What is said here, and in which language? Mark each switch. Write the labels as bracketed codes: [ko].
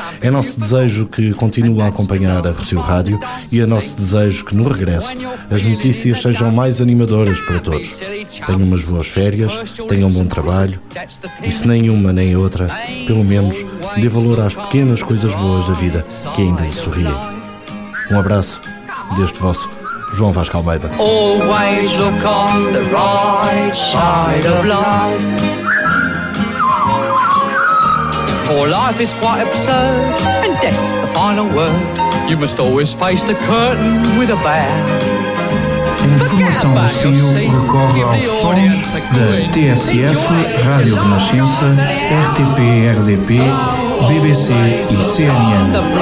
[pt] É nosso desejo que continue a acompanhar a Rocio Rádio, e é nosso desejo que no regresso as notícias sejam mais animadoras para todos. Tenham umas boas férias, tenham um bom trabalho, e se nem uma nem outra, pelo menos dê valor às pequenas coisas boas da vida que ainda lhe sorriem. Um abraço deste vosso João Vasco Almeida. [en] Always look on the right side of life. For life is quite absurd, and death's the final word. You must always face the curtain with a bow. [pt] Informação do Rocio recorre aos sons da TSF, Rádio Renascença, RTP, RDP, BBC e CNN.